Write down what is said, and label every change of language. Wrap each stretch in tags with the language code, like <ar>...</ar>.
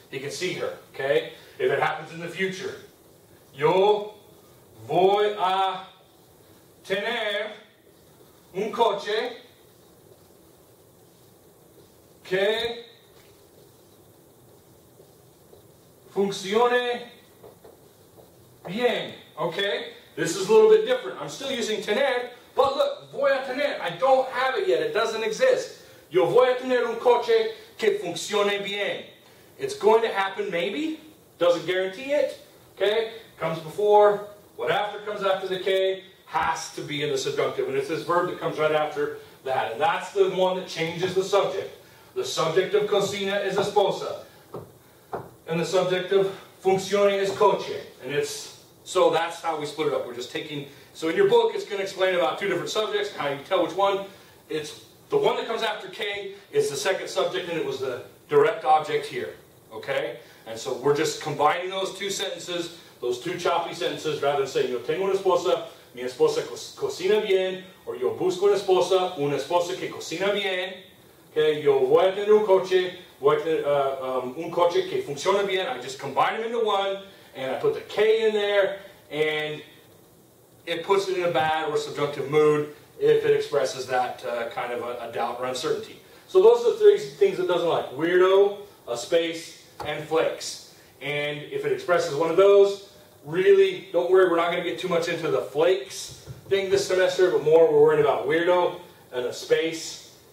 <en>He can see her, okay? If it happens in the future,</en> <es>yo voy a tener un coche que funcione bien,</es> <en>okay? This is a little bit different. I'm still using tener, but look,</en> <es>voy a tener.</es> <en>I don't have it yet. It doesn't exist.</en> <es>Yo voy a tener un coche que funcione bien.</es> <en>It's going to happen maybe. Doesn't guarantee it. Okay? Comes before. What after comes after the K has to be in the subjunctive. And it's this verb that comes right after that. And that's the one that changes the subject. The subject of cocina is esposa. And the subject of funcione is coche. And it's... So that's how we split it up. We're just taking... So in your book, it's going to explain about two different subjects, how you tell which one. It's the one that comes after K is the second subject, and it was the direct object here. Okay? And so we're just combining those two sentences, those two choppy sentences, rather than saying,</en> <es>yo tengo una esposa, mi esposa cocina bien,</es> <en>or</en> <es>yo busco una esposa que cocina bien.</es> <en>Okay?</en> <es>Yo voy a tener un coche, un coche que funciona bien.</es> <en>I just combine them into one. And I put the K in there, and it puts it in a bad or subjunctive mood if it expresses that kind of a doubt or uncertainty. So those are the three things it doesn't like. Weirdo, a space, and flakes. And if it expresses one of those, really, don't worry, we're not going to get too much into the flakes thing this semester, but more we're worried about weirdo and a space.</en>